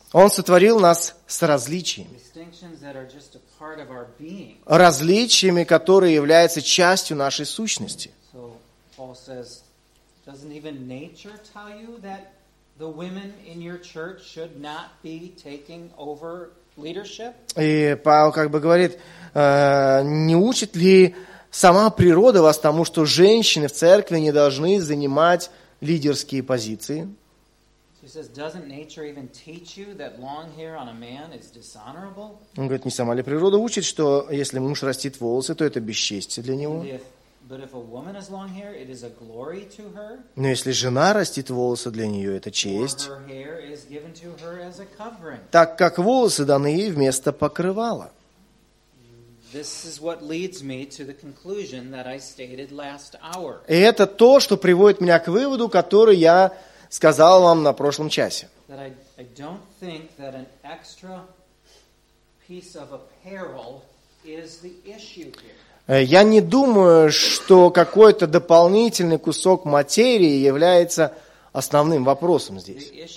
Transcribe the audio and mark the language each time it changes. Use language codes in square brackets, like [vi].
[ru] Он сотворил нас с различиями. [en] Distinctions that are just a part of our being. [ru] Различиями, которые являются частью нашей сущности. [en] So Paul says, doesn't even nature tell you that the women in your church should not be taking over leadership? [ru] И Павел как бы говорит, не учит ли сама природа вас тому, что женщины в церкви не должны занимать лидерские позиции? [en] He says, doesn't nature even teach you that long hair on a man is dishonorable? [ru] Он говорит, не сама ли природа учит, что если муж растит волосы, то это бесчестие для него? [en] But if a woman has long hair, it is a glory to her. [ru] Но если жена растит волосы, для нее это честь. [en] Her hair is given to her as a covering. [ru] Так как волосы даны ей вместо покрывала. [en] This is what leads me to the conclusion that I stated last hour. [ru] И это то, что приводит меня к выводу, который я сказал вам на прошлом часе. [en] That I don't think that an extra piece of apparel is the issue here. [ru] Я не думаю, что какой-то дополнительный кусок материи является основным вопросом здесь.